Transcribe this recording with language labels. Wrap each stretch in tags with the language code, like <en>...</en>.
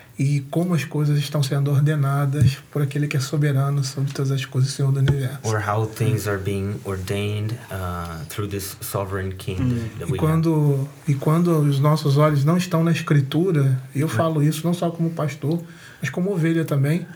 <pt>E como as coisas estão sendo ordenadas por aquele que é soberano sobre todas as coisas, Senhor do Universo.</pt> <en>Or how things are being ordained through this sovereign king. Mm.</en> <pt>E quando os nossos olhos não estão na Escritura, e eu falo isso não só como pastor, mas como ovelha também.</pt>